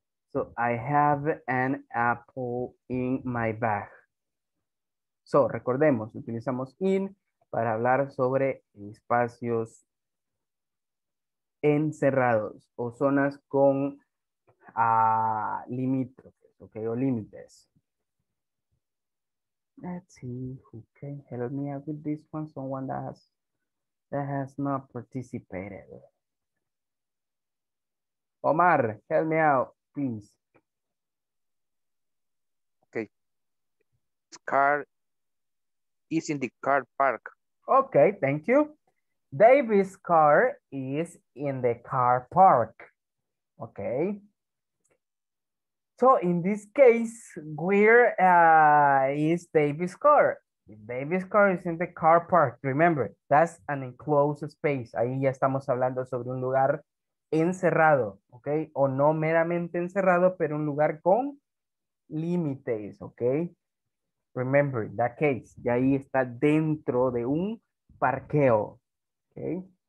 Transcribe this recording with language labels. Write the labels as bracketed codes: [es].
[en] So, I have an apple in my bag. [es] So, recordemos, utilizamos in para hablar sobre espacios encerrados o zonas con límites. ¿Ok? O límites. [en] Let's see who can help me out with this one. Someone that has not participated. Omar, help me out, please. Okay. its car is in the car park. Okay, thank you. David's car is in the car park. Okay. So in this case, where is David's car? David's car is in the car park. Remember, that's an enclosed space. [es] Ahí ya estamos hablando sobre un lugar encerrado, okay? O no meramente encerrado, pero un lugar con límites, okay? [en] Remember that case. [es] Y ahí está dentro de un parqueo, okay?